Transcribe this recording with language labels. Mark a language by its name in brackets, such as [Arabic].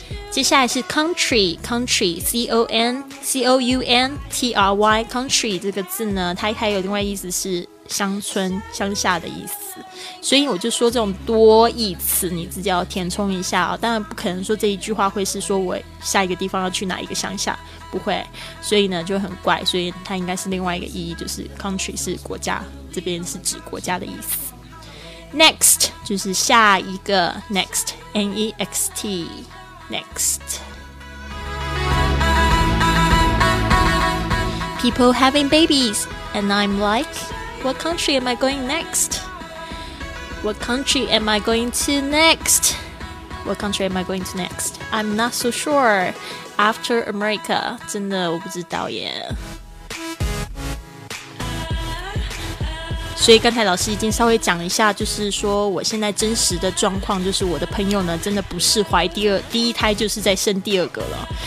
[Chinese] 接下来是 country C-O-N-C-O-U-N-T-R-Y， country 这个字呢它还有另外意思是乡村乡下的意思，所以我就说这种多义词你自己要填充一下，当然不可能说这一句话会是说我下一个地方要去哪一个乡下，不会，所以呢就很怪，所以它应该是另外一个意义，就是 country 是国家，这边是指国家的意思。 next 就是下一个 next N-E-X-T next。 [English] People having babies and I'm like, what country am I going next? What country am I going to next? What country am I going to next? I'm not so sure. After America, [Chinese] 真的我不知道耶。所以刚才老师已经稍微讲一下，就是说我现在真实的状况，就是我的朋友呢，真的不是怀第一胎，就是在生第二个了。